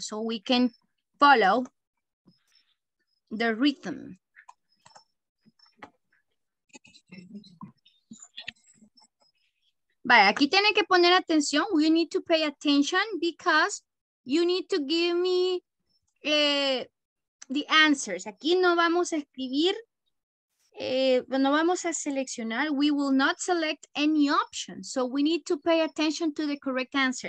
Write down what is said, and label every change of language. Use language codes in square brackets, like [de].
[en] So we can follow the rhythm. [es] Vaya, aquí tiene que poner atención. [en] We need to pay attention because you need to give me the answers. [es] Aquí no vamos a escribir, no vamos a seleccionar. [en] We will not select any option. So we need to pay attention to the correct answer.